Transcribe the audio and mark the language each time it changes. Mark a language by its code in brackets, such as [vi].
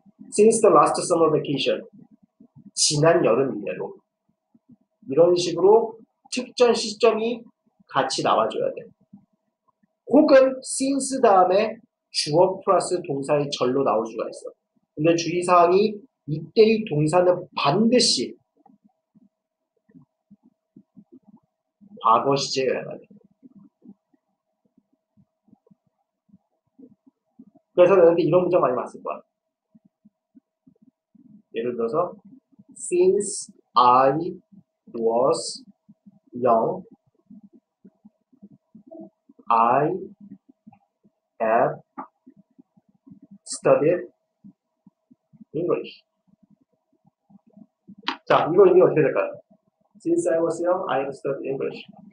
[en] Since the last summer vacation. [ko] 지난 여름 이래로. 이런 식으로 특정 시점이 같이 나와줘야 돼. 혹은 since 다음에 주어 플러스 동사의 절로 나올 수가 있어. 근데 주의사항이 이때의 동사는 반드시 과거 시제여야 돼. 그래서 너한테 이런 문장 많이 봤을 거야. 예를 들어서 [en] since I was young. I have studied English. [ko] 자, 이거 의미 어떻게 될까요? [en] Since I was young, I have studied English.